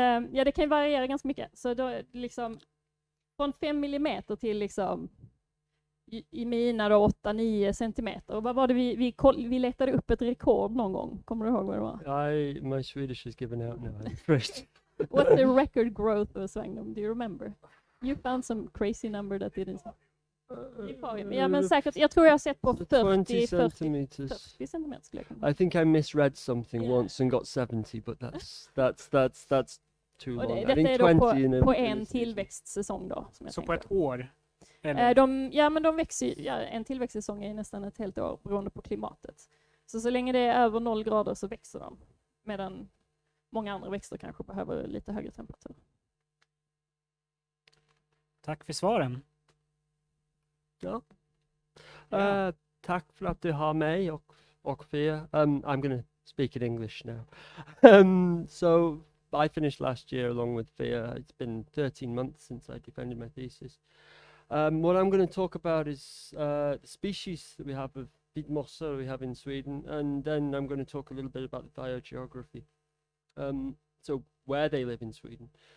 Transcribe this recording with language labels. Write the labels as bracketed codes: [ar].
[sv] ja, det kan ju variera ganska mycket. Så då är det liksom från 5 mm till liksom... I mina då 8-9 centimeter. Och vad var det vi letade upp ett rekord någon gång? Kommer du ihåg vad det var? [en] I, my Swedish is given out now. First. What the record growth of Svängdom, do you remember? You found some crazy number that didn't... [sv] ja, men säkert, jag tror jag har sett på 40 centimeters. [en] I think I misread something once and got 70, but that's too long. [sv] Och det, detta är då på en tillväxtsäsong då. Som så jag på ett år? De, ja, men de växer, ja, en tillväxtsäsong är nästan ett helt år beroende på klimatet. Så länge det är över 0 grader så växer de. Medan många andra växter kanske behöver lite högre temperatur. Tack för svaren. Ja. Tack för att du har mig och för er. [en] I'm going to speak in English now. So I finished last year along with Fia. It's been 13 months since I defended my thesis. What I'm going to talk about is the species that we have of vitmossa we have in Sweden, and then I'm going to talk a little bit about the biogeography, so where they live in Sweden.